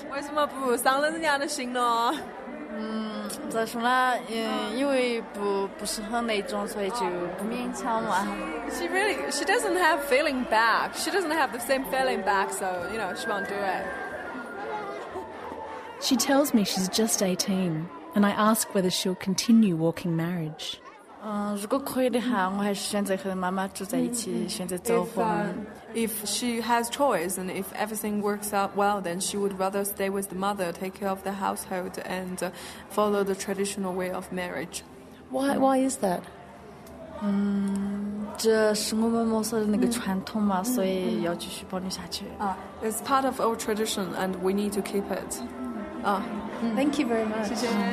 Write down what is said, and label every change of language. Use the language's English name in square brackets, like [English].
[Chinese] 为什么不伤了人家的心呢? 怎么说呢？因为不适合那种，所以就不勉强嘛。 [English] She doesn't have feeling back. She doesn't have the same feeling back, so, you know, she won't do it. She tells me she's just 18, and I ask whether she'll continue walking marriage. [Chinese] 如果可以的话，我还是选择和妈妈住在一起，选择走婚。 [English] If she has choice and if everything works out well, then she would rather stay with the mother, take care of the household and follow the traditional way of marriage. Why is that? [Chinese] 这是我们母社的那个传统嘛，所以要继续保留下去。 [English] It's part of our tradition and we need to keep it. Thank you very much. [Chinese] 谢谢。